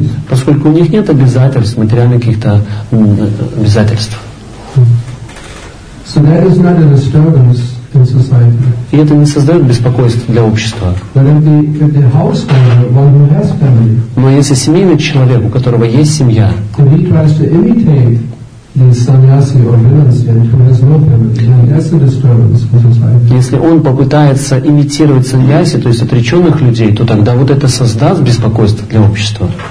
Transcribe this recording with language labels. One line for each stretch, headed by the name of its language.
Russian: Поскольку у них нет обязательств, материальных каких-то обязательств.
English: So that is not a disturbance in society.
Russian: И это не создает беспокойства для общества.
English: But if the householder, one who has family,
Russian: но если семейный человек, у которого есть семья,
English: if he tries to imitate the sannyasi or renunciate who has no family, then that's a disturbance in society.
Russian: Если он попытается имитировать sannyasi, то есть отреченных людей, то тогда вот это создаст беспокойство для общества.